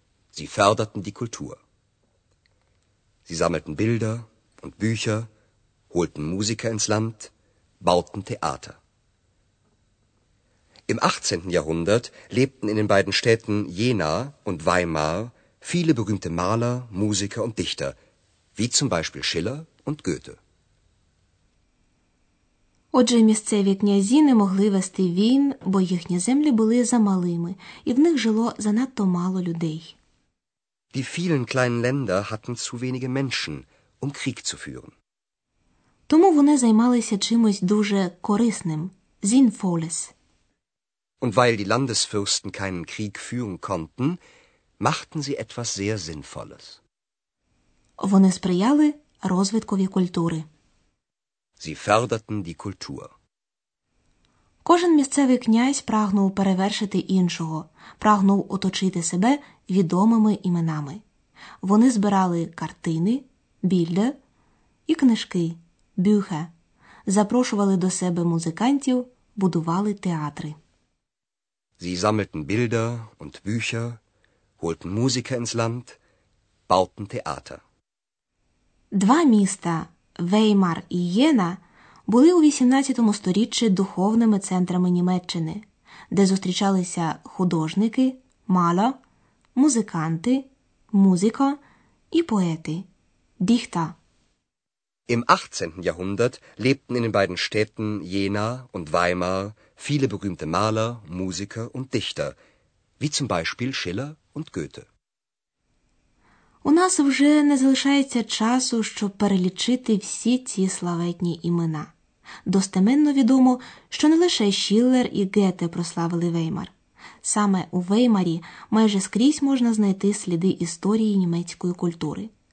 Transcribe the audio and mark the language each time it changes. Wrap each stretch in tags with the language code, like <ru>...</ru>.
<de>Sie förderten die Kultur. Sie sammelten Bilder und Bücher, holten Musiker ins Land, bauten Theater. Im 18. Jahrhundert lebten in den beiden Städten Jena und Weimar viele berühmte Maler, Musiker und Dichter, wie zum Beispiel Schiller und Goethe.</de> <uk>Отже, місцеві князі не могли вести війн, бо їхні землі були замалими, і в них жило занадто мало людей.</uk> <de>Die vielen kleinen Länder hatten zu wenige Menschen, um Krieg zu führen.</de> <uk>Тому вони займалися чимось дуже корисним, sinnvolles.</uk> <de>Und weil die Landesfürsten keinen Krieg führen konnten, machten sie etwas sehr Sinnvolles.</de> <uk>Вони сприяли розвиткові культури.</uk> <de>Sie förderten die Kultur.</de> <uk>Кожен місцевий князь прагнув перевершити іншого, прагнув оточити себе відомими іменами. Вони збирали картини, Bilder, і книжки, Bücher, запрошували до себе музикантів, будували театри.</uk> <de>Sie sammelten Bilder und Bücher, holten Musiker ins Land, bauten Theater.</de> <uk>Два міста, Веймар і Єна, були у 18 сторіччі духовними центрами Німеччини, де зустрічалися художники, мало, музиканти, музика і поети, діхта.</uk> <de>Im 18. Jahrhundert lebten in den beiden Städten Jena und Weimar viele berühmte Maler, Musiker und Dichter, wie zum Beispiel Schiller und Goethe.</de> <uk>У нас вже не залишається часу, щоб перелічити всі ці славетні імена. Достеменно відомо, що не лише Шиллер і Гете прославили Веймар. Саме у Веймарі майже скрізь можна знайти сліди історії німецької культури.</uk>